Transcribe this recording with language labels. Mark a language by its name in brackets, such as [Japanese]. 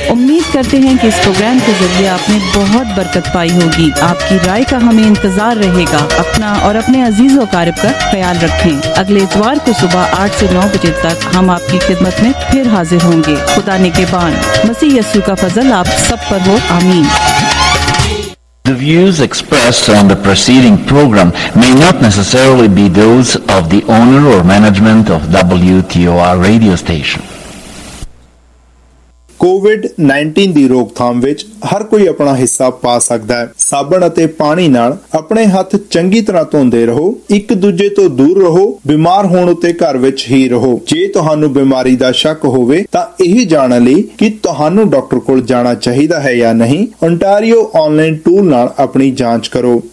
[Urdu] امید کرتے ہیں کہ اس پروگرام کے ذریعے آپ نے بہت برکت پائی ہوگی. آپ کی رائے کا ہمیں انتظار رہے گا. اپنا اور اپنے عزیز و اقارب کا خیال رکھیں. اگلے اتوار کو صبح 8 سے 9 بجے تک ہم آپ کی خدمت میں پھر حاضر ہوں گے. خدا نے کے بان مسیح یسوع کا فضل آپ سب پر ہو. آمین. [English] The views expressed on the preceding program may not necessarily be those of the owner or management of WTOR radio station. [Punjabi] COVID-19 ਦੀ ਰੋਕਥਾਮ ਵਿੱਚ ਹਰ ਕੋਈ ਆਪਣਾ ਹਿੱਸਾ ਪਾ ਸਕਦਾ ਹੈ. ਸਾਬਣ ਅਤੇ ਪਾਣੀ ਨਾਲ ਆਪਣੇ ਹੱਥ ਚੰਗੀ ਤਰ੍ਹਾਂ ਧੋਂਦੇ ਰਹੋ. ਇੱਕ ਦੂਜੇ ਤੋਂ ਦੂਰ ਰਹੋ. ਬਿਮਾਰ ਹੋਣ ਉੱਤੇ ਘਰ ਵਿੱਚ ਹੀ ਰਹੋ. ਜੇ ਤੁਹਾਨੂੰ ਬਿਮਾਰੀ ਦਾ ਸ਼ੱਕ ਹੋਵੇ ਤਾਂ ਇਹ ਜਾਣਨ ਲਈ ਕਿ ਤੁਹਾਨੂੰ ਡਾਕਟਰ ਕੋਲ ਜਾਣਾ ਚਾਹੀਦਾ ਹੈ ਜਾਂ ਨਹੀਂ, ਓਨਟਾਰੀਓ ਆਨਲਾਈਨ ਟੂਲ ਨਾਲ ਆਪਣੀ ਜਾਂਚ ਕਰੋ.